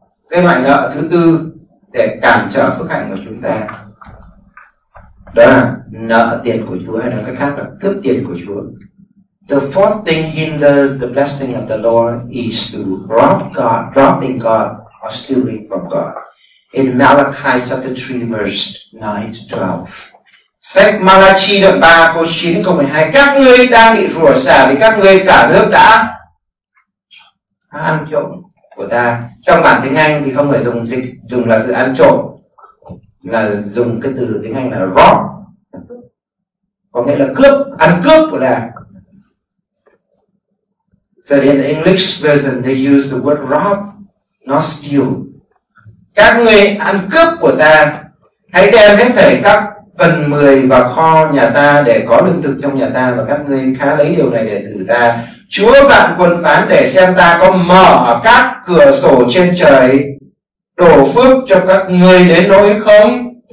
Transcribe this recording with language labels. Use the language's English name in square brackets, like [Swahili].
[Vietnamese] Cái loại nợ thứ tư để cản trở phước hạnh của chúng ta, đó là nợ tiền của Chúa, hay là cách khác là cướp tiền của Chúa. [English] The fourth thing hinders the blessing of the Lord is to rob God, robbing God or stealing from God. In Malachi chapter 3 verse 9 to 12. [Vietnamese] Sách Malachi đoạn 3 câu 9 câu 12. Các ngươi đang bị rủa xả vì các ngươi cả nước đã ăn trộm của ta. Trong bản tiếng Anh thì không phải dùng dịch, dùng là từ ăn trộm, là dùng cái từ tiếng Anh là rob, có nghĩa là cướp, ăn cướp của ta. [English] So in the English version they use the word rob, not steal. [Vietnamese] Các ngươi ăn cướp của ta, hãy đem hết thảy các phần mười vào kho nhà ta để có lương thực trong nhà ta, và các ngươi khá lấy điều này để thử ta. Chúa vạn quân phán để xem ta có mở các cửa sổ trên trời đổ phước cho các ngươi đến nỗi không.